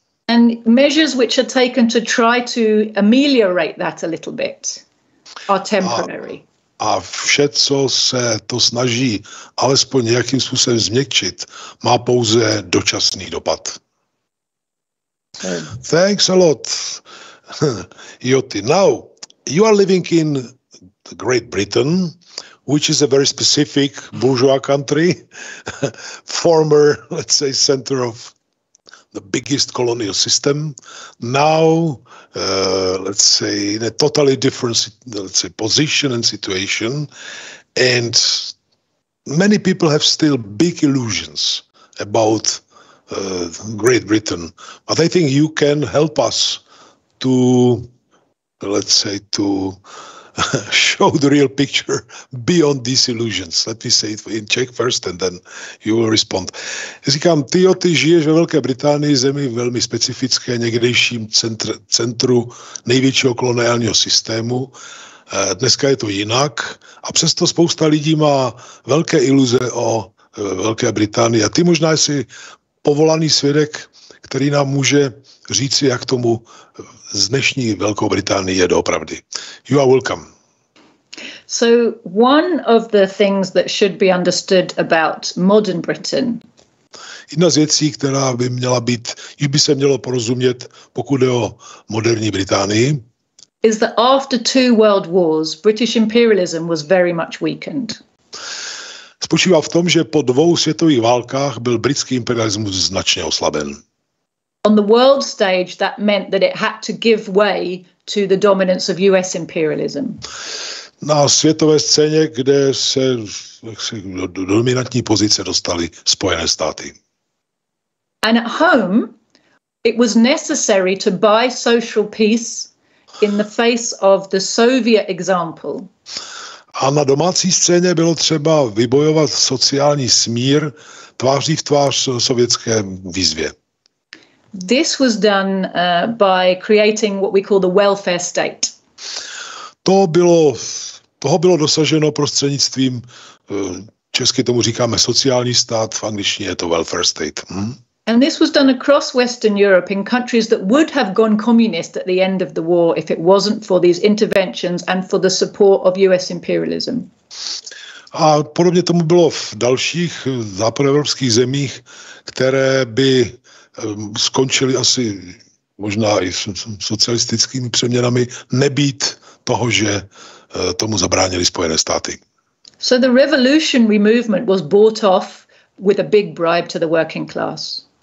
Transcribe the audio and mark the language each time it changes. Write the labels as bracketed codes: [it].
[en] And measures which are taken to try to ameliorate that a little bit are temporary. [cs] A vše, co se to snaží alespoň nějakým způsobem změkčit, má pouze dočasný dopad. [en] Thanks a lot, Joti. Now, you are living in Great Britain, which is a very specific bourgeois country, former, let's say, center of the biggest colonial system. Now, let's say, in a totally different, let's say, position and situation. And many people have still big illusions about Great Britain. But I think you can help us to, let's say, to show the real picture beyond these illusions. Let me say it in Czech first and then you will respond. [cs] Říkám, ty žiješ ve Velké Británii, zemi velmi specifické, někdejším centru největšího koloniálního systému. Dneska je to jinak a přesto spousta lidí má velké iluze o Velké Británii. A ty možná jsi povolaný svědek, který nám může říci, jak tomu z dnešní Velkou Británii je doopravdy. [en] You are welcome. So one of the things that should be understood about modern Britain. [cs] Jedna z věcí, která by měla být, jich by se mělo porozumět, pokud je o moderní Británii. [en] Is that after two world wars, British imperialism was very much weakened. [cs] Spočívá v tom, že po dvou světových válkách byl britský imperialismus značně oslaben. [en] On the world stage that meant that it had to give way to the dominance of US imperialism. [cs] Na světové scéně, kde se do dominantní pozice dostaly Spojené státy. [en] And at home it was necessary to buy social peace in the face of the Soviet example. [cs] A na domácí scéně bylo třeba vybojovat sociální smír tváří v tvář sovětské výzvě. [en] This was done by creating what we call the welfare state. [cs] Toho bylo dosaženo prostřednictvím, česky tomu říkáme sociální stát, v angličtině je to welfare state. [en] And this was done across Western Europe in countries that would have gone communist at the end of the war if it wasn't for these interventions and for the support of US imperialism. [cs] A podobně tomu bylo v dalších západoevropských zemích, které by skončily asi možná i socialistickými přeměnami, nebýt toho, že tomu zabránili Spojené státy. [en] So the revolutionary movement was bought off with a big bribe to the working class.